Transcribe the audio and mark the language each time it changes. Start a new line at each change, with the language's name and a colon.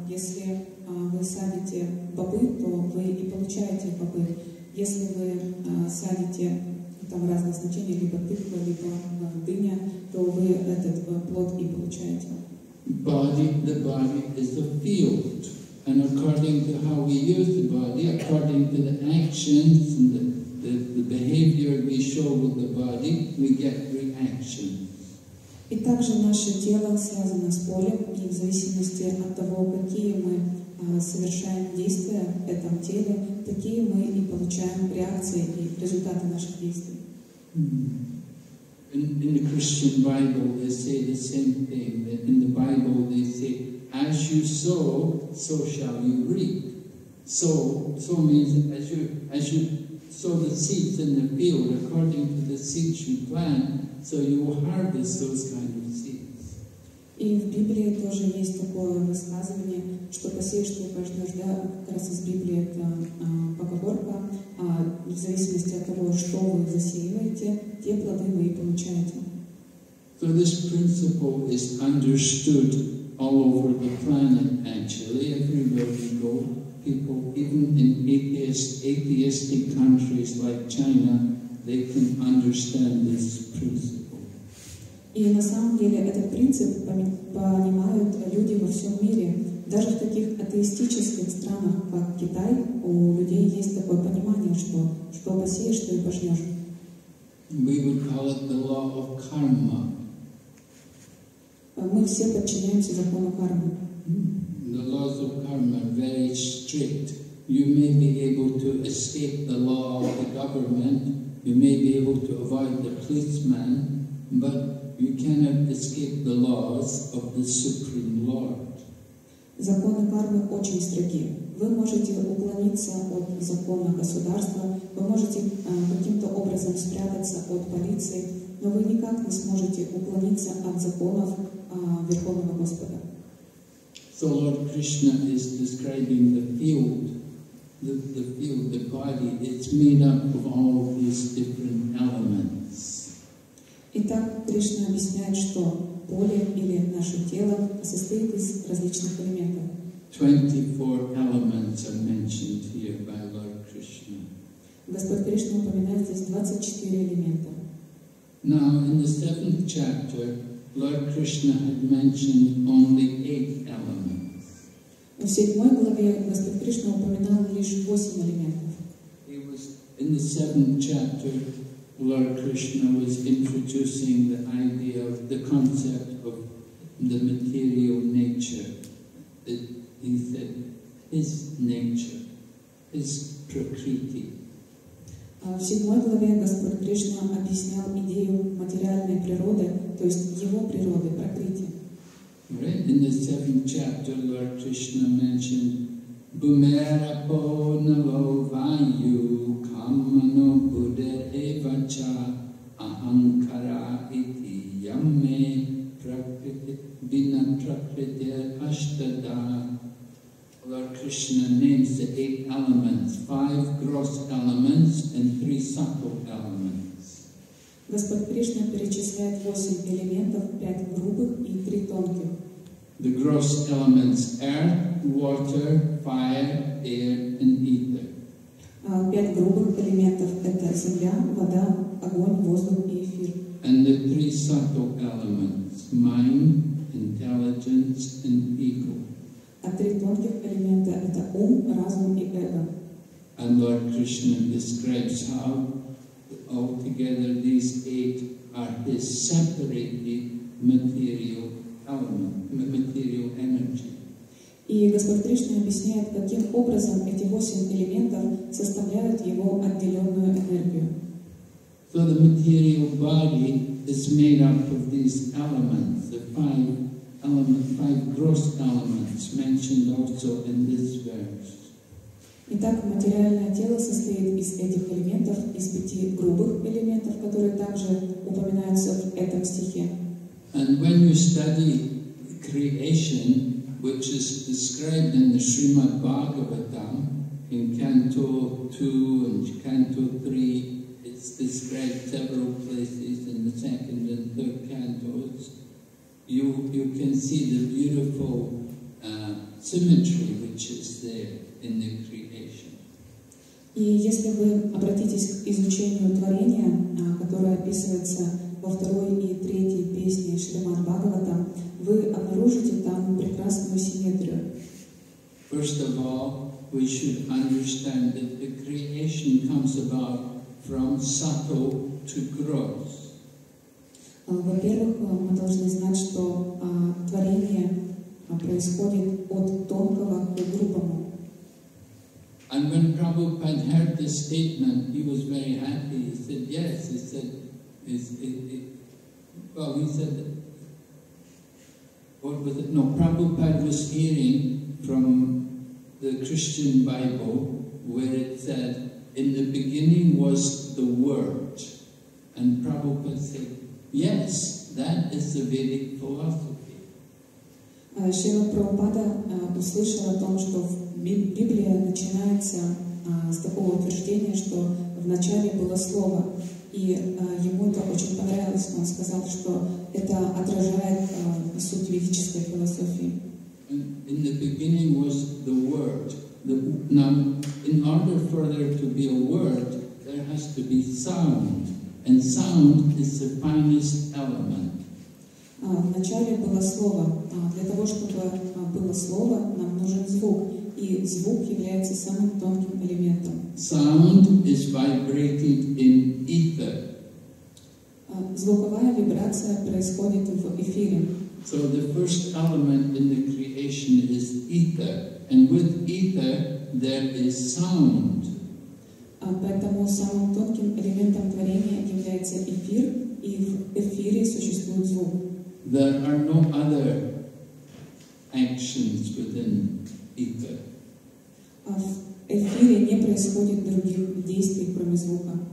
Russian: Если вы садите бобы, то вы и получаете бобы. Если вы садите там разные значения, либо тыква, либо дыня, то вы этот плод и получаете.
English: Body, the body is a field. And according to how we use the body, according to the actions and the behavior we show with the body, we get reactions.
Russian: И также наше тело связано с полем, и в зависимости от того, какие мы совершаем действия в этом теле, такие мы и получаем реакции и результаты наших действий.
English: In the Christian Bible, they say the same thing. In the Bible, they say, as you sow, so shall you reap. So means as you sow the seeds in the field, according to the seeds you plant, so you will harvest those kind of seeds.
Russian: И в Библии тоже есть такое высказывание, что посеешь, то пожнешь. Да, как раз из Библии это поговорка. В зависимости от того, что вы засеиваете, те плоды вы и получаете.
English: So this principle is understood all over the planet, actually. Everywhere we go, people, even in atheistic countries like China, they can understand this principle.
Russian: И на самом деле этот принцип понимают люди во всем мире. Даже в таких атеистических странах, как Китай, у людей есть такое понимание, что посеешь, то и пожнешь.
English: We would call it the law of karma.
Russian: Мы все подчиняемся закону кармы.
English: The laws of karma are very strict. You may be able to escape the law of the government, you may be able to avoid the policeman, but you cannot escape the laws of the Supreme Lord.
Russian: Законы кармы очень строги. Вы можете уклониться от закона государства, вы можете каким-то образом спрятаться от полиции, но вы никак не сможете уклониться от законов Верховного Господа.
English: So Lord Krishna is describing the field. The field, the body, it's made up of all of these different elements.
Russian: Итак, Кришна объясняет, что поле или наше тело состоит из различных элементов.
English: 24 elements are mentioned here by Lord Krishna.
Russian: Господь Кришна упоминает здесь 24 элемента.
English: Now, in the 7th chapter, Lord Krishna had mentioned only 8 elements.
Russian: В 7 главе Господь Кришна упоминал лишь 8 элементов.
English: He was, in the 7th chapter, Lord Krishna was introducing the idea of the concept of the material nature. He said, his nature, his prakriti.
Russian: В 7 главе Господь Кришна объяснял идею материальной природы, то есть его природы, пракрити.
English: In the 7th chapter, Lord Krishna mentioned
Sanskrit: Bhumera po navo vayu kamano buddha evacha ahankara iti yamme prakriti vina prakriti ashtada.
English: Lord Krishna names the 8 elements, 5 gross elements and 3 subtle elements.
Russian: Господь Кришна перечисляет 8 элементов, 5 грубых и 3 тонких.
English: The gross elements: earth, water, fire, air, and ether.
Russian: 5 грубых элементов — это земля, вода, огонь, воздух и эфир.
English: And the 3 subtle elements: mind, intelligence, and ego.
Russian: А 3 тонких элемента — это ум, разум и эго.
English: And Lord Krishna describes how altogether these 8 are his separately material element, material energy.
Russian: И Господь Кришна объясняет, каким образом эти 8 элементов составляют его отделенную энергию.
English: So the material body is made up of these elements, the 5 elements, 5 gross elements mentioned also in this verse.
Russian: Итак, материальное тело состоит из этих элементов, из 5 грубых элементов, которые также упоминаются в этом стихе.
English: And when you study creation, which is described in the Srimad Bhagavatam, in Canto 2 and Canto 3, it's described several places in the second and third cantos, you can see the beautiful symmetry which is there in the creation.
Russian: И если вы обратитесь к изучению творения, которое описывается во второй и третьей песне Шримад Бхагавата, вы обнаружите там прекрасную симметрию.
English: First of all, we should understand that the creation comes about from subtle to gross.
Russian: Во-первых, мы должны знать, что творение происходит от тонкого к грубому.
English: And when Prabhupada heard this statement, he was very happy. He said, yes, he said, he said, what was it? No, Prabhupada was hearing from the Christian Bible where it said, in the beginning was the Word. And Prabhupada said, yes, that is the Vedic philosophy.
Russian: Шрила Прабхупада услышал о том, что Библия начинается с такого утверждения, что в начале было Слово. И ему это очень понравилось, он сказал, что это отражает суть ведической философии.
English: In the beginning was the Word. Now, in order for there to be a Word, there has to be sound. And sound is the finest element.
Russian: В начале было Слово. Для того, чтобы было Слово, нам нужен звук. И звук является самым тонким элементом.
English: Sound is vibrated in ether.
Russian: Звуковая вибрация происходит в эфире.
English: So the first element in the creation is ether, and with ether there is sound.
Russian: Поэтому самым тонким элементом творения является эфир, и в эфире существует звук.
English: There are no other actions within ether.
Russian: В эфире не происходит других действий, кроме звука.